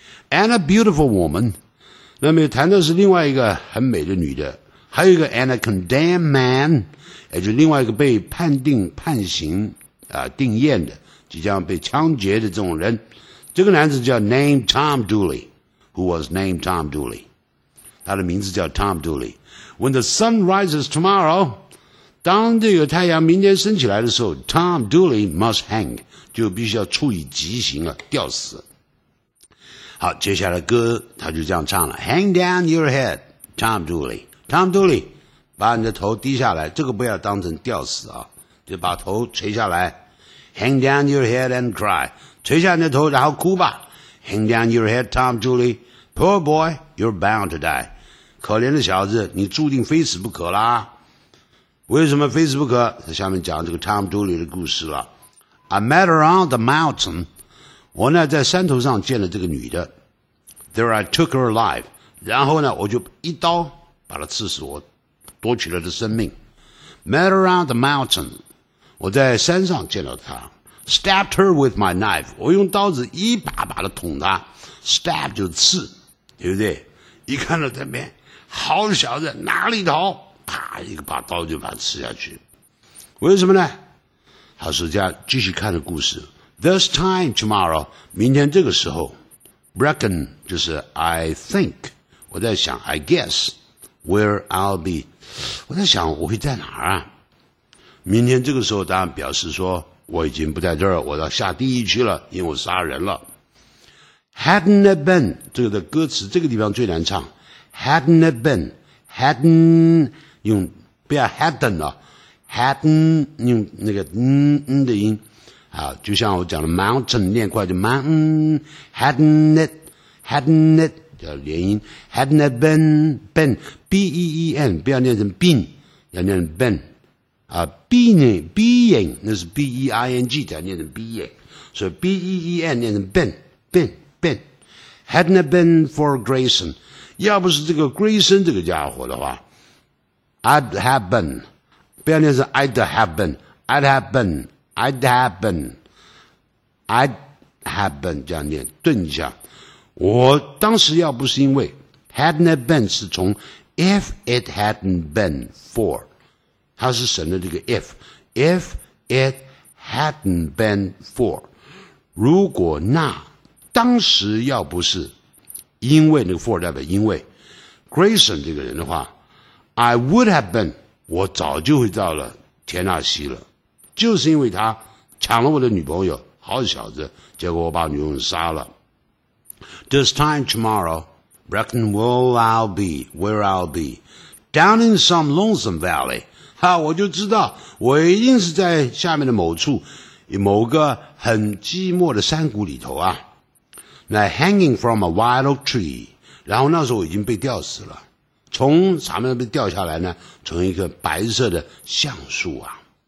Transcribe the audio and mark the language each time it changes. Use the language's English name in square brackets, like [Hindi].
[English] And a beautiful woman， [Chinese] 那么谈的是另外一个很美的女的，还有一个 [English] and a condemned man， [Chinese] 也就是另外一个被判定判刑定验的即将被枪决的这种人，这个男子叫 [English] named Tom Dooley， who was named Tom Dooley， [Chinese] 他的名字叫 Tom Dooley。 [English] When the sun rises tomorrow， [Chinese] 当这个太阳明天升起来的时候， [English] Tom Dooley must hang， [Chinese] 就必须要处以极刑了，吊死。好，接下来歌他就这样唱了 [English] Hang down your head, Tom Dooley. [Chinese] Tom Dooley, 把你的头低下来，这个不要当成吊死啊，就把头垂下来。 [English] Hang down your head and cry, [Chinese] 垂下你的头然后哭吧。 [English] Hang down your head, Tom Dooley. Poor boy, you're bound to die. [Chinese] 可怜的小子，你注定非死不可啦。为什么非死不可？他下面讲这个 Tom Dooley 的故事了。 [English] I met her on the mountain. [Chinese] 我呢在山头上见了这个女的 [English] There I took her alive， [Chinese] 然后呢我就一刀把她刺死，我夺取了她的生命。 [English] Met her on the mountain， [Chinese] 我在山上见到她。 [English] stabbed her with my knife. [Chinese] 我用刀子一把把的捅她。stab 就刺，对不对？一看到这边，好小子，哪里逃？啪，一个把刀就把他刺下去。为什么呢？好，这样继续看的故事。 [English] This time tomorrow， [Chinese] 明天这个时候 ，reckon 就是 I think， 我在想 ， [English] I guess where I'll be， [Chinese] 我在想我会在哪儿啊？明天这个时候，当然表示说我已经不在这儿，我到下地狱去了，因为我杀人了。 [English] Hadn't it been [Chinese] 这个的歌词这个地方最难唱 ，Hadn't it been hadn't 用不要 hadn't 了 ，hadn't 用那个嗯的音。啊，就像我讲的 mountain 念快就 mountain [English] hadn't it hadn't it [Chinese] 叫连音 [English] hadn't it been been [Chinese] b e e n 不要念成 been 要念成 been 啊 being being 那是 b e i n g 才念成 being 所以 b e e n 念成 been been been [English] hadn't it been for Grayson [Chinese] 要不是这个 Grayson 这个家伙的话 [English] I'd have been [Chinese] 不要念成 I'd have been [English] I'd have beenI'd happen, I'd happen, [Chinese] 这样念，顿一下。我当时要不是因为 hadn't it been 是从 [English] if it hadn't been for, [Chinese] 它是省了这个 if, if it hadn't been for, 如果那当时要不是因为那个 for 代表因为 Grayson 这个人的话 [English] I would have been, [Chinese] 我早就会到了田纳西了。就是因为他抢了我的女朋友，好小子，结果我把女朋友杀了。 [English] This time tomorrow, reckon where I'll be, where I'll be, down in some lonesome valley. [Chinese] 哈，我就知道，我一定是在下面的某处，某个很寂寞的山谷里头啊。那 [English] hanging from a wild oak tree, [Chinese] 然后那时候我已经被吊死了，从上面被吊下来呢，从一棵白色的橡树啊。